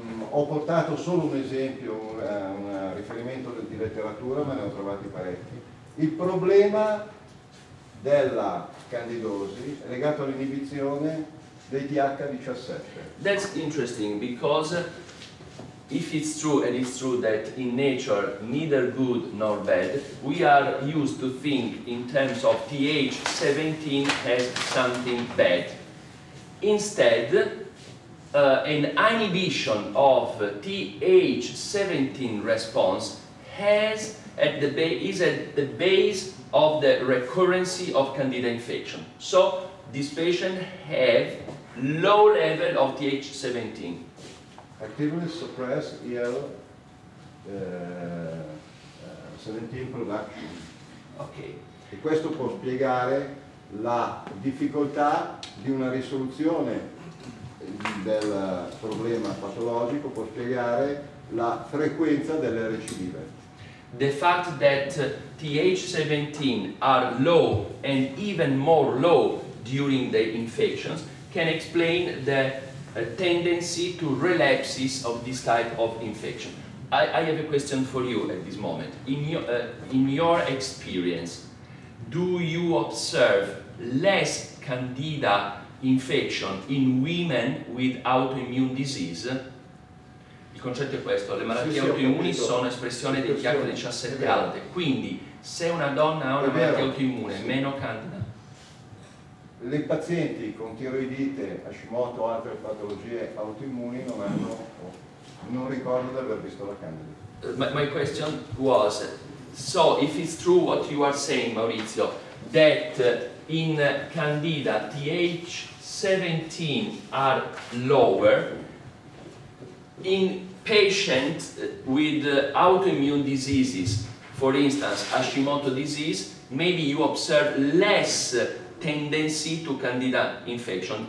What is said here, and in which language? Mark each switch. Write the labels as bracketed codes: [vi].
[it] Ho portato solo un esempio, un riferimento di letteratura, ma ne ho trovati parecchi. Il problema della candidosi è legato all'inibizione dei TH17. [en] That's interesting because if it's true, and it's true that in nature neither good nor bad, we are used to think in terms of TH17 as something bad. Instead, an inhibition of TH17 response is at the base of the recurrency of candida infection. So this patient have low level of TH17. Actively suppressed IL-17 production. Okay. [it] E questo può spiegare la difficoltà di una risoluzione del problema patologico, può spiegare la frequenza delle recidive. [en] The fact that TH17 are low and even more low during the infections can explain the a tendency to relapses of this type of infection. I have a question for you at this moment. In your experience, do you observe less candida infection in women with autoimmune disease? [it] Il concetto è questo, le malattie autoimmuni sono espressione del TH17 alte. Quindi, se una donna ha una malattia autoimmune, meno candida. Le pazienti con tiroidite, Hashimoto o altre patologie autoimmuni non hanno, non ricordo di aver visto la candida. [en] My question was, so if it's true what you are saying, Maurizio, that in Candida, Th17 are lower. In patients with autoimmune diseases, for instance, Hashimoto disease, maybe you observe less tendency to Candida infection.